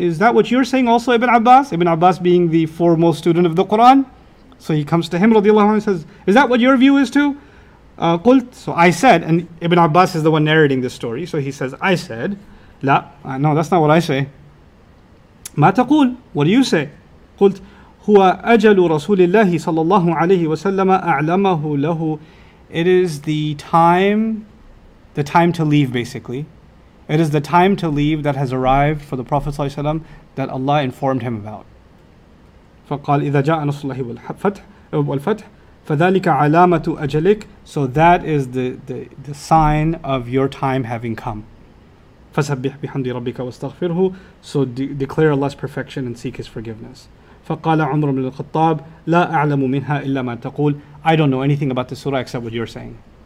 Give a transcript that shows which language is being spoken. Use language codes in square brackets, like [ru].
[en] Is that what you're saying also, Ibn Abbas? Ibn Abbas being the foremost student of the Quran. So he comes to him, radiallahu anhu, and says, is that what your view is too? [ar] قُلْت. [en] So I said, and Ibn Abbas is the one narrating this story. So he says, I said, لا. No, that's not what I say. [ar] مَا تَقُولُ. [en] What do you say? [ar] قلت هو أجل رسول الله صلى الله عليه وسلم أعلمه له. [en] It is the time to leave, basically. It is the time to leave that has arrived for the Prophet صلى الله عليه وسلم that Allah informed him about. [ar] فقال إذا جاء نصر الله والفتح فذلك علامة أجلك. [en] So that is the sign of your time having come. [ar] فسبح بحمد ربك واستغفره. [en] So declare Allah's perfection and seek His forgiveness. [ar] فَقَالَ عُمْرُ بْنُ الْخَطَّابِ لَا أَعْلَمُ مِنْهَا إِلَّا مَا تَقُولُ. [en] I don't know anything about this surah except what you're saying.